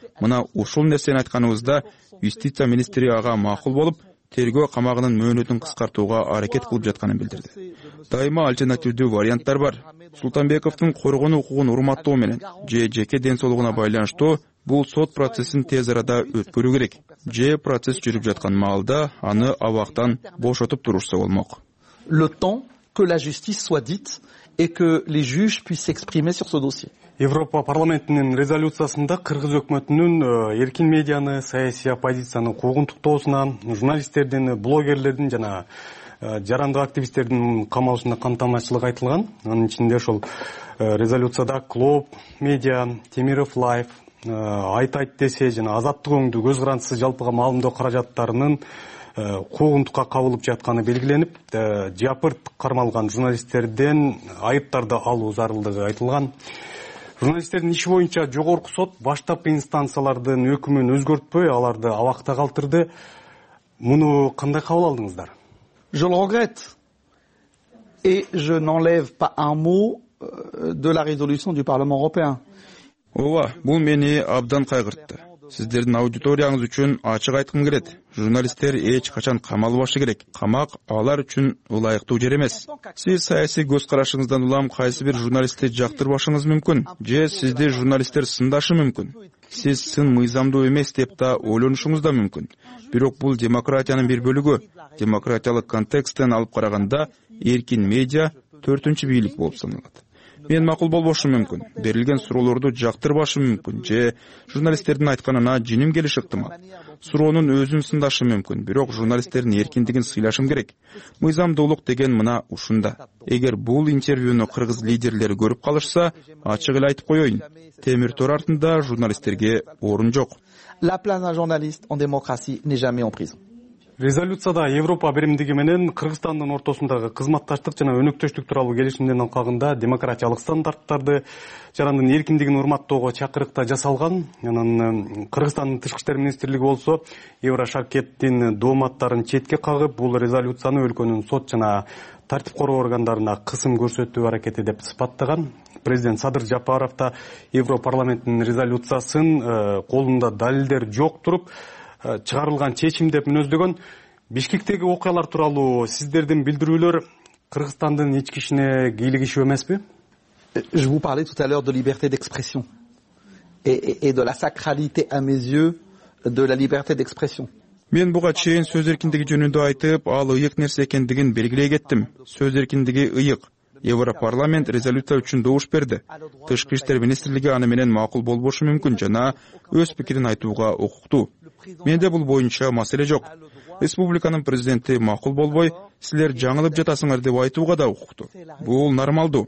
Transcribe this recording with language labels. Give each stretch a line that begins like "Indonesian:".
Kyrgyz: Мына ушул нерсени айтканыбызда юстиция министри ага макул болуп, тергөө камагынын мөөнөтүн кыскартууга аракет кылып жатканын билдирди. Дайыма альтернативдүү варианттар бар. Султанбековдун коргоо укугун урматтоо менен же жеке ден соолугуна байланыштуу бул сот процессин тез арада өткөрүү керек же процесс жүрүп жаткан маалда аны абактан бошотуп турушса болмок.
French: Le temps que la justice soit dite et que les juges puissent s'exprimer sur ce dossier.
Kyrgyz: Европа парламентинин резолюциясында кыргыз өкмөтүнүн эркин медианы, саясий оппозициянын укугун токтоосуна, журналисттердин, блогерлердин жана жарандык активисттердин камалышына камтамасызчылык айтылган. Анын ичинде ошол резолюцияда Клооп, Медиа, Темиров Лайф, Айт-Айт десе жана Азаттык Өңдүү көз карандысыз жалпыга маалымдоо каражаттарынын куугунтукка кабылып жатканы белгиленип, жапырт кармалган журналисттерден айыптарды алуу зарылдыгы айтылган. Журналисттердин иши боюнча жогорку сот баштапкы инстанциялардын өкүмүн өзгөртпөй аларды абакта калтырды. Муну кандай кабыл алдыңыздар?
French: Je le regrette et je n'enlève pas un mot de la résolution du Parlement européen.
Kyrgyz: Ооба, бул мени абдан кайгыртты. Сиздердин аудиторияңыз үчүн ачык айткым келет. Журналисттер эч качан камалбашы керек. Камак алар үчүн ылайыктуу жер эмес. Сиз саясий көз карашыңыздан улам кайсы бир журналистти жактырбашыңыз мүмкүн же сизди журналисттер сындашы мүмкүн. Сиз сын мыйзамдуу эмес деп да ойлонушуңуз да мүмкүн. Бирок бул демократиянын бир бөлүгү. Демократиялык контексттен алып караганда эркин медиа төртүнчү бийлик болуп саналат. Мен макул болбошум мүмкүн, берилген суроолорду жактырбашым мүмкүн же журналисттердин айтканына жиним келиш ыктымал. Суроонун өзүн сындашым мүмкүн, бирок журналисттердин эркиндигин сыйлашым керек. Мыйзамдуулук деген мына ушунда. Эгер бул интервьюну кыргыз лидерлери көрүп калышса, ачык эле айтып коеюн. Темир тор артында журналисттерге орун жок.
French: La place d'un journaliste en démocratie n'est jamais en prison.
Kyrgyz: Резолюцияда Европа биримдиги менен Кыргызстандын ортосундагы кызматташтык жана өнөктөштүк тууралуу келишимдин алкагында демократиялык стандарттарды жарандын эркиндигин урматтоого чакырык да жасалган. Анан Кыргызстандын тышкы иштер министрлиги болсо Евра Шавкеттин дооматтарын четке кагып, бул резолюцияны өлкөнүн сот жана тартип коргоо органдарына кысым көрсөтүү аракети деп сыпаттаган. Президент Садыр Жапаров да Европарламенттин резолюциясын колунда далилдер жок туруп чыгарылган чечим деп мүнөздөгөн. Бишкектеги окуялар тууралуу сиздердин билдирүүлөр Кыргызстандын ички ишине кийлигиши эмеспи?
French: Je vous parlais tout à l'heure de liberté d'expression et de la sacralité à mes yeux de la liberté d'expression.
Kyrgyz: Мен буга чейин сөз эркиндиги жөнүндө айтып, ал ыйык нерсе экендигин белгилей кеттим. Сөз эркиндиги ыйык. Европарламент резолюция үчүн добуш берди. Тышкы иштер министрлиги аны менен макул болбошу мүмкүн жана өз пикирин айтууга укуктуу. Менде бул боюнча маселе жок. Республиканын президенти макул болбой, силер жаңылып жатасыңар деп айтууга да укуктуу. Бул нормалдуу.